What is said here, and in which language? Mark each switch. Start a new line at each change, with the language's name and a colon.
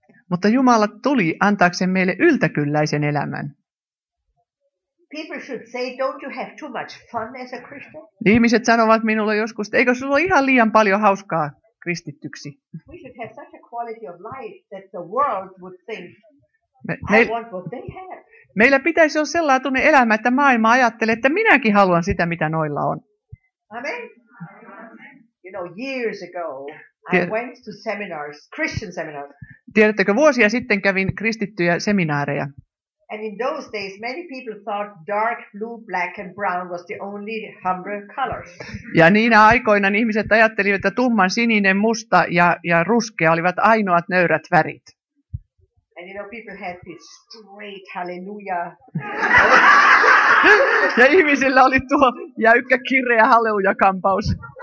Finnish: Mutta Jumala tuli antaakseen meille yltäkylläisen elämän.
English: People should say, don't you have too much fun as a Christian?
Finnish: Ihmiset sanovat minulle joskus, eikö sulla ole ihan liian paljon hauskaa kristittyksi?
English: We should have such a quality of life that the world would think. I want what they have.
Finnish: Meillä pitäisi olla sellainen elämä, että maailma ajattelee, että minäkin haluan sitä, mitä noilla on. Amen.
English: You know, years ago, I went to seminars, Christian seminars.
Finnish: Tiedättekö, vuosia sitten kävin kristittyjä seminaareja.
English: And in those days, many people thought dark blue, black and brown was the only humble colors.
Finnish: Ja niinä aikoina ihmiset ajattelivat, että tumman sininen, musta ja ruskea olivat ainoat nöyrät värit.
English: And you know, people had this straight hallelujah.
Finnish: Ja ihmisillä oli tuo jäykkä kireä hallelujakampaus.